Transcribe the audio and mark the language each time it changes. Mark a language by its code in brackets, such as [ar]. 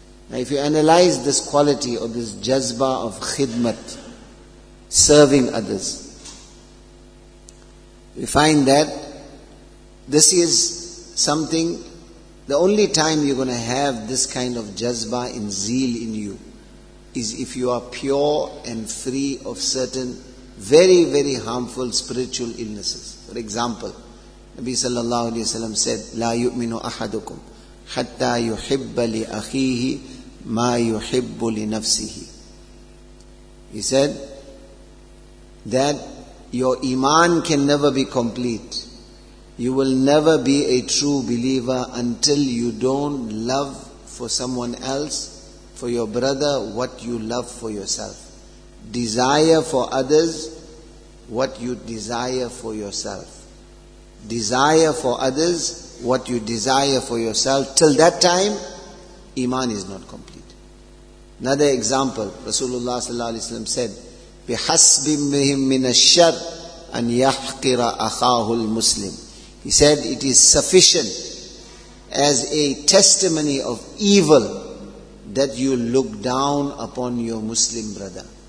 [en] Now, if you analyze this quality or this jazba of khidmat, serving others, we find that this is something, the only time you're going to have this kind of jazba and zeal in you is if you are pure and free of certain very, very harmful spiritual illnesses. [ar] For example, Nabi sallallahu alayhi wa sallam said, لا يؤمن أحدكم حتى يحب لأخيه ما يحب لنفسه. [en] He said that your iman can never be complete. You will never be a true believer until you don't love for someone else, for your brother, what you love for yourself. Desire for others what you desire for yourself. Desire for others what you desire for yourself. Till that time, iman is not complete. [ar] Another example, Rasulullah sallallahu alaihi wasallam said, بِحَسْبِ مِهِمْ مِنَ الشَّرْ أَنْ يَحْقِرَ أَخَاهُ الْمُسْلِمِ. [en] He said, it is sufficient as a testimony of evil that you look down upon your Muslim brother.